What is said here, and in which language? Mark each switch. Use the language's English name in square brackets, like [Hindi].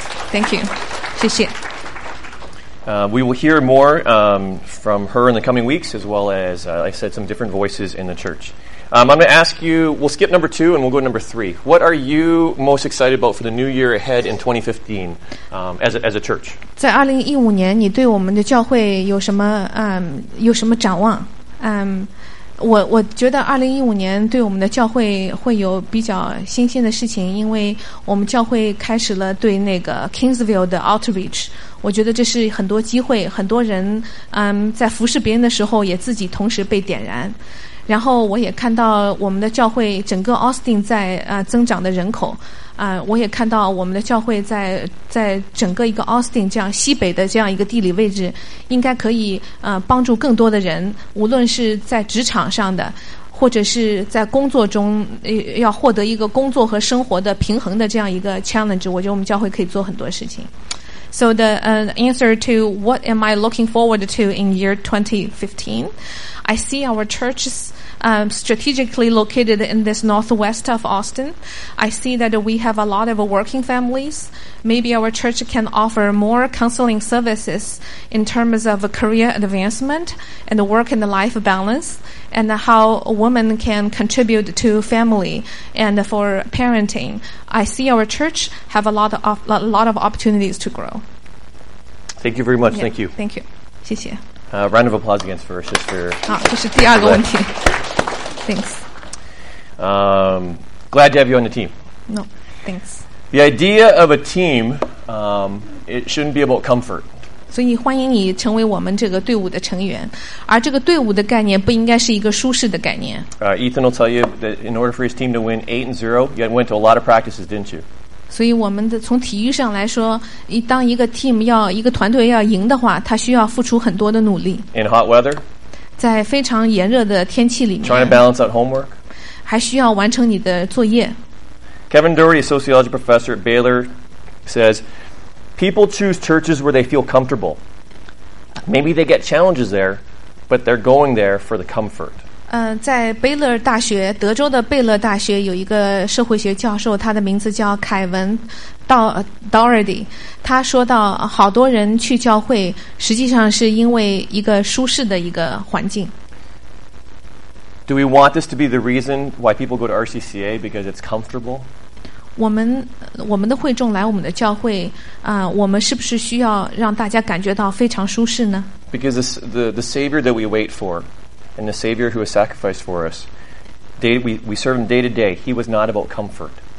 [English] Thank you. [Chinese] 谢谢. [English] We will hear more from her in the coming weeks, as well as, I said, some different voices in the church. I'm going to ask you, we'll skip number two and we'll go to number three. What are you most excited about for the new year ahead in 2015 as a church? [Chinese] 在2015年你对我们的教会有什么展望？我觉得2015年对我们的教会会有比较新鲜的事情，因为我们教会开始了对那个 Kingsville 的 outreach。我觉得这是很多机会，很多人在服侍别人的时候也自己同时被点燃。然后我也看到我们的教会整个 Austin 在增长的人口，我也看到我们的教会在整个一个 Austin 这样西北的这样一个地理位置，应该可以帮助更多的人，无论是在职场上的，或者是在工作中要获得一个工作和生活的平衡的这样一个 challenge， 我觉得我们教会可以做很多事情。 [English] So the answer to what am I looking forward to in year 2015? I see our church strategically located in this northwest of Austin. I see that we have a lot of working families. Maybe our church can offer more counseling services in terms of career advancement and work and life balance, and how women can contribute to family and for parenting. I see our church have a lot of opportunities to grow. Thank you very much. Yeah, thank you. Thank you. [Chinese] 谢谢. [English] Round of applause again for our sister. [Chinese] 好，这是第二个问题。 [English] Thanks. Glad to have you on the team. No, thanks. The idea of a team, it shouldn't be about comfort. [Chinese] 所以欢迎你成为我们这个队伍的成员，而这个队伍的概念不应该是一个舒适的概念。 [English] Ethan will tell you that in order for his team to win 8-0, you went to a lot of practices, didn't you? [Chinese] 所以我们的从体育上来说，当一个 team 要一个团队要赢的话，他需要付出很多的努力。 [English] In hot weather. [Chinese] 在非常炎热的天气里面 [English] trying to balance out homework [Chinese] 还需要完成你的作业。 [English] Kevin Doherty, a sociology professor at Baylor, says, people choose churches where they feel comfortable. Maybe they get challenges there, but they're going there for the comfort. [Chinese] 在贝勒大学，德州的贝勒大学有一个社会学教授，他的名字叫凯文Doherty。他说到，好多人去教会，实际上是因为一个舒适的一个环境。 [English] Do we want this to be the reason why people go to RCCA because it's comfortable? [Chinese] 我们的会众来我们的教会，我们是不是需要让大家感觉到非常舒适呢？ [English] Because the Savior that we wait for, and the Savior who has sacrificed for us, we serve him day to day, he was not about comfort.